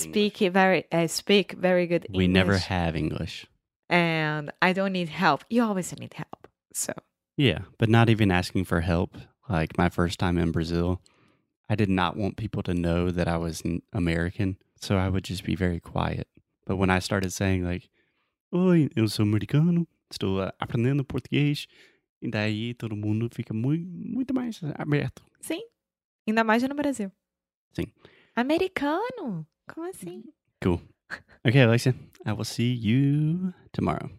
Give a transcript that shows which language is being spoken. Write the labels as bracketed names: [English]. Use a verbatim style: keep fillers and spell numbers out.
[English] speak it very, I speak very good We never English. have English. and I don't need help. You always need help. So Yeah, but not even asking for help. Like my first time in Brazil, I did not want people to know that I was n- American, so I would just be very quiet. But when I started saying like, [Portuguese] "Oi, eu sou americano, estou ah, aprendendo português," e daí todo mundo fica muito, muito mais aberto. sim, ainda mais no Brasil. Sim. Americano? Como assim? [English] Cool. Okay, Alexia, I will see you tomorrow.